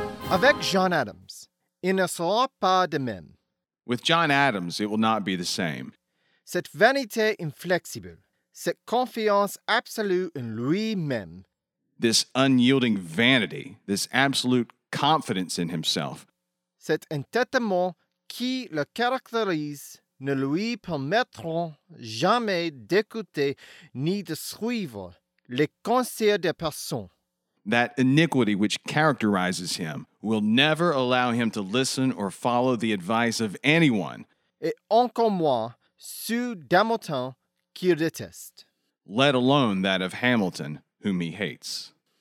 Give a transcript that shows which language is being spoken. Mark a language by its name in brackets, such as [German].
[French] Avec John Adams, il ne sera pas de même. [English] With John Adams, it will not be the same. [French] Cette vanité inflexible, cette confiance absolue en lui-même. [English] This unyielding vanity, this absolute confidence in himself. [French] Cet entêtement qui le caractérise ne lui permettront jamais d'écouter ni de suivre les conseils des personnes. [English] That iniquity which characterizes him will never allow him to listen or follow the advice of anyone. [French] Et encore moins ceux d'Hamilton qu'il déteste. [English] Let alone that of Hamilton, whom he hates.